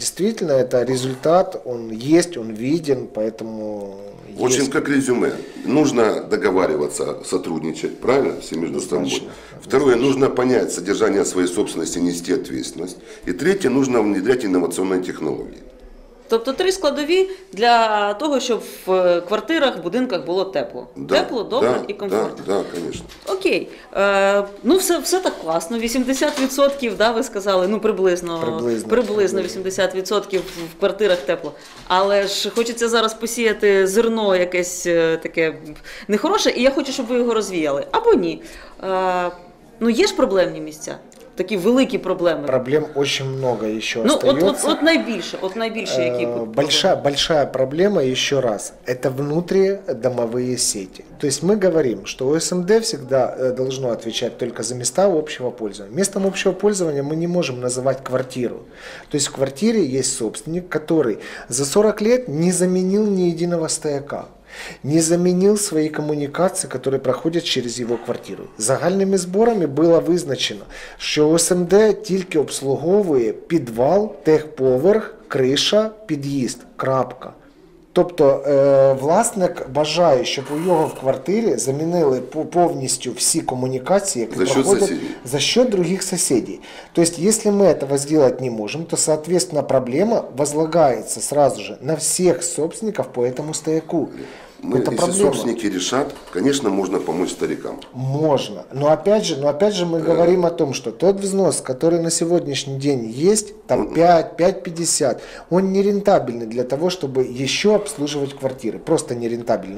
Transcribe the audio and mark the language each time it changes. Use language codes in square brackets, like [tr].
[ru] Действительно, это результат, он есть, он виден, поэтому... В общем, как резюме, нужно договариваться, сотрудничать, правильно, все между собой. Второе, нужно понять содержание своей собственности, нести ответственность. И третье, нужно внедрять инновационные технологии. [uk] Тобто три складові для того, щоб в квартирах, в будинках було тепло. [ru] Да, [uk] тепло, добре і комфортно. Так, да, звісно. Да, окей. Ну все так класно. 80%, да, ви сказали, ну приблизно 80% в квартирах тепло. Але ж хочеться зараз посіяти зерно якесь таке нехороше, і я хочу, щоб ви його розвіяли. Або ні. Ну є ж проблемні місця. Такі великі проблеми. [ru] Проблем очень много еще остается. [uk] Ну, от найбільше, які проблеми. [ru] Большая проблема, еще раз, это внутридомовые сети. То есть мы говорим, что ОСМД всегда должно отвечать только за места общего пользования. Местом общего пользования мы не можем называть квартиру. То есть в квартире есть собственник, который за 40 лет не заменил ни единого стояка. Не заменил свои коммуникации, которые проходят через его квартиру. [uk] Загальними зборами было визначено, що ОСМД тільки обслуговує підвал, техповерх, криша, під'їзд, крапка. Тобто власник бажає, щоб у його в квартирі замінили повністю всі комунікації, які [ru] за счет других соседей. То есть, если мы этого сделать не можем, то, соответственно, проблема возлагается сразу же на всех собственников по этому стояку. Мы, это если проблема. Собственники решат, конечно, можно помочь старикам. Можно. Но опять же мы говорим о том, что тот взнос, который на сегодняшний день есть, там 5-5,50, он не рентабельный для того, чтобы еще обслуживать квартиры. Просто не рентабельный.